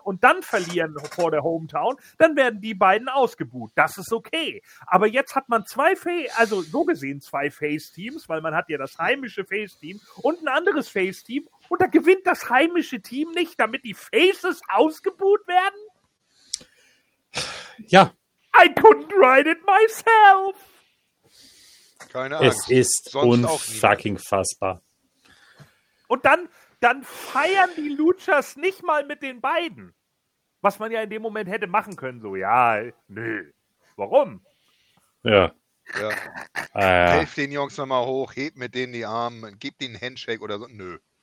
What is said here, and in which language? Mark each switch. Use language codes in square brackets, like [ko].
[de] Und dann verlieren vor der Hometown. Dann werden die beiden ausgebuht. Das ist okay. Aber jetzt hat man zwei Face-Teams, weil man hat ja das heimische Face-Team und ein anderes Face-Team und da gewinnt das heimische Team nicht, damit die Faces ausgebuht werden? Ja. [en] I couldn't write it myself. [de] Keine Angst. Es ist unfucking fassbar. Und dann feiern die Luchas nicht mal mit den beiden. Was man ja in dem Moment hätte machen können, so, ja, nö. Warum? Ja. Ja. Helf den Jungs nochmal hoch, heb mit denen die Arme, gib denen einen Handshake oder so. Nö.